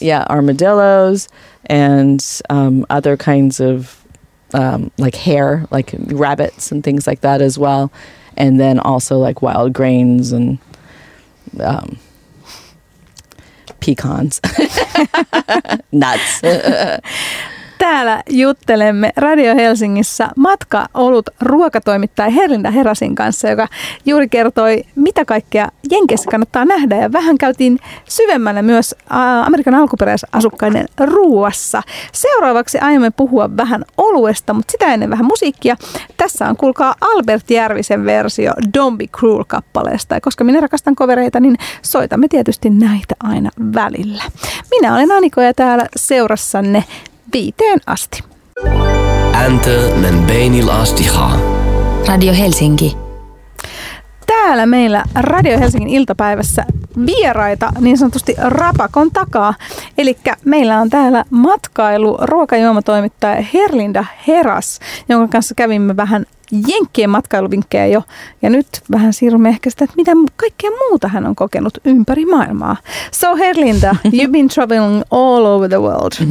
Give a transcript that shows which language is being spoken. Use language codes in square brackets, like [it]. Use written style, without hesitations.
[en] Yeah, armadillos and other kinds of. Like hare, like rabbits and things like that as well. And then also like wild grains and pecans. Nuts. [fi] Täällä juttelemme Radio Helsingissä matkaolut ruokatoimittaja Herlinda Herasin kanssa, joka juuri kertoi, mitä kaikkea Jenkeissä kannattaa nähdä. Ja vähän käytiin syvemmällä myös Amerikan alkuperäisasukkaiden ruoassa. Seuraavaksi aiomme puhua vähän oluesta, mutta sitä ennen vähän musiikkia. Tässä on kuulkaa Albert Järvisen versio Don't Be Cruel-kappaleesta. Ja koska minä rakastan kovereita, niin soitamme tietysti näitä aina välillä. Minä olen Aniko ja täällä seurassanne. Viiteen asti. Äntö men beinil asti ha. Radio Helsinki. Täällä meillä Radio Helsingin iltapäivässä vieraita niin sanotusti rapakon takaa. Elikkä meillä on täällä matkailu ruokajuomatoimittaja Herlinda Heras, jonka kanssa kävimme vähän Jenkkien matkailuvinkkejä jo. Ja nyt vähän siirrymme ehkä sitä, että mitä kaikkea muuta hän on kokenut ympäri maailmaa. [en] So Herlinda, you've been traveling all over the world.